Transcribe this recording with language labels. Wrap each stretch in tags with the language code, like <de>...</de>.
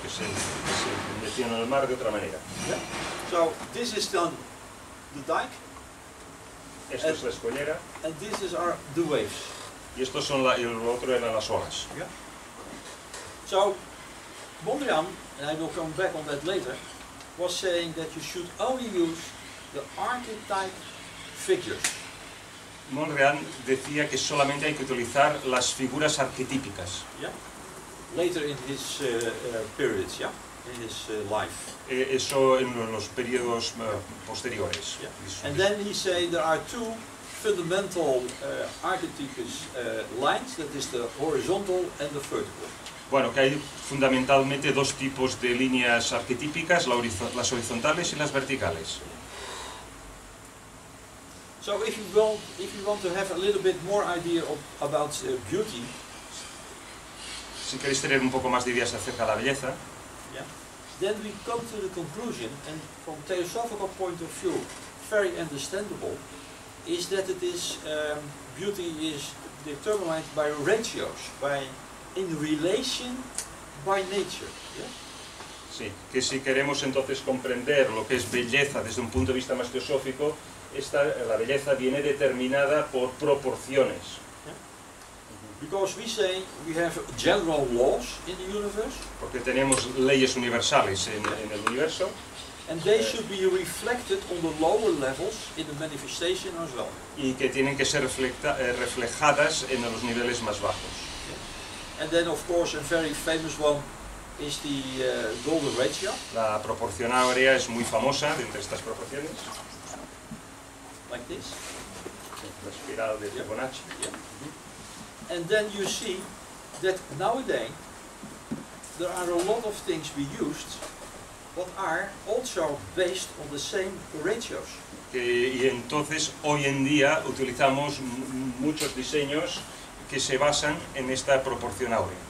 <es>Que se metía en el mar de otra manera.</es> <en>Yeah. So this is the dike.</en> <es>Esto es la escollera.</es> <en>And this is our the waves.</en> <es>Y esto son el otro eran las olas.</es> <en>Yeah. So Mondrian, and I will come back on that later, was saying that you should only use the archetype figures.</en> <es>Mondrian decía que solamente hay que utilizar las figuras arquetípicas.</es> <en>Yeah. Later in his periods, yeah, in his life.</en> <es>Eso en los periodos posteriores.</es> <en>Yeah. And then he said there are two fundamental archetypes lines, that is the horizontal and the vertical.</en> <es>Bueno, que hay fundamentalmente dos tipos de líneas arquetípicas, las horizontales y las verticales.</es> <en>So if you want to have a little bit more idea about beauty,</en> <es>si queréis tener un poco más de ideas acerca de la belleza,</es> <en>yeah, then we come to the conclusion, and from theosophical point of view, very understandable, is that it is beauty is determined by ratios, by in relation by nature. Yeah?</en> <es>Sí, que si queremos entonces comprender lo que es belleza desde un punto de vista más teosófico, la belleza viene determinada por proporciones.</es> <en>Yeah. Because we say we have general laws in the universe.</en> <es>Porque tenemos leyes universales en el universo.</es> <en>And they should be reflected on the lower levels in the manifestation as well.</en> <es>Y que tienen que ser reflejadas en los niveles más bajos.</es> <en>Yeah. And then of course a very famous one is the golden ratio.</en> <es>La proporción áurea es muy famosa de entre estas proporciones.</es> <en>Like this.</en> <es>La espiral de Fibonacci.</es> <en>Yeah. Mm-hmm. And then you see that nowadays there are a lot of things we used that are also based on the same ratios.</en> <es>Y entonces hoy en día utilizamos muchos diseños que se basan en esta proporción áurea.</es>